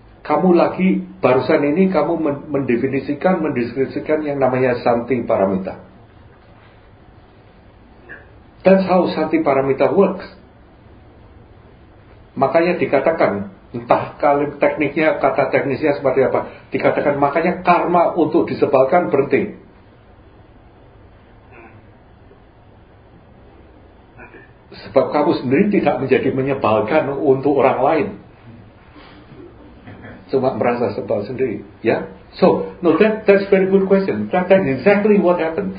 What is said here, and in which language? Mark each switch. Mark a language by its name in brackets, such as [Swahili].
[Indonesian] kamu lagi barusan ini kamu mendefinisikan, mendeskripsikan yang namanya Santi Paramita. [English] That's how Santi Paramita works. [Indonesian] Makanya dikatakan, entah kali tekniknya, kata teknisnya seperti apa, dikatakan makanya karma untuk disebalkan berhenti. Sebab kamu sendiri tidak menjadi menyebalkan untuk orang lain, cuma merasa sebal sendiri, ya? [English] Yeah? So, no, that's very good question. That's exactly what happened.